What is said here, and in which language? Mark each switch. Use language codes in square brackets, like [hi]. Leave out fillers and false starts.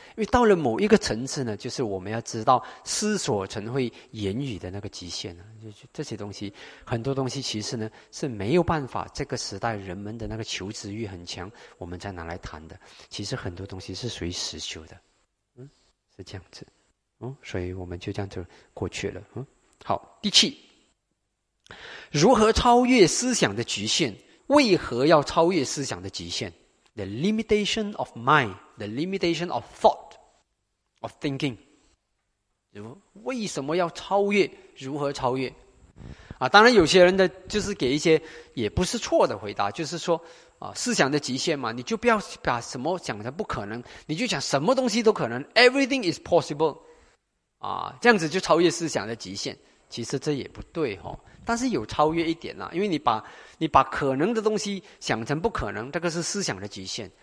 [zh] 因为到了某一个层次呢，就是我们要知道思索成会言语的那个极限了，就这些东西，很多东西其实呢是没有办法，这个时代人们的那个求知欲很强，我们再拿来谈的，其实很多东西是属于实修的，是这样子，所以我们就这样子过去了，好，第七。如何超越思想的局限？为何要超越思想的局限 [en] ？The limitation of mind, the limitation of thought, of thinking. [zh] 为什么要超越？如何超越？啊，当然有些人的就是给一些也不是错的回答，就是说啊，思想的极限嘛，你就不要把什么讲的不可能，你就讲什么东西都可能 ， [en] everything is possible. [zh] 啊，这样子就超越思想的极限。其实这也不对哦，但是有超越一点啦，因为你把可能的东西想成不可能，这个是思想的极限。